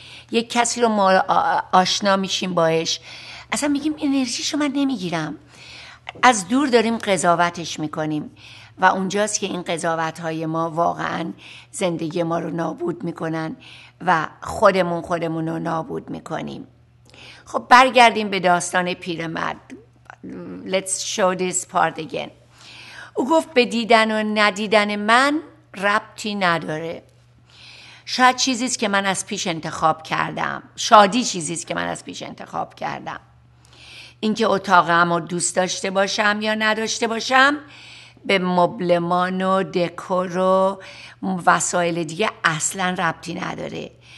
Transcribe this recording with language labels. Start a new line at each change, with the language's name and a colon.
Persian: یه کسی رو ما آشنا میشیم باش، اصلا میگیم انرژیشو من نمیگیرم، از دور داریم قضاوتش میکنیم و اونجاست که این قضاوتهای ما واقعا زندگی ما رو نابود میکنن و خودمون رو نابود میکنیم. خب برگردیم به داستان پیرمرد.
English: Let's show this part again.
Persian: او گفت به دیدن و ندیدن من ربطی نداره. شاید چیزیست که من از پیش انتخاب کردم. شادی چیزیست که من از پیش انتخاب کردم. اینکه اتاقم رو دوست داشته باشم یا نداشته باشم به مبلمان و دکور و وسایل دیگه اصلا ربطی نداره.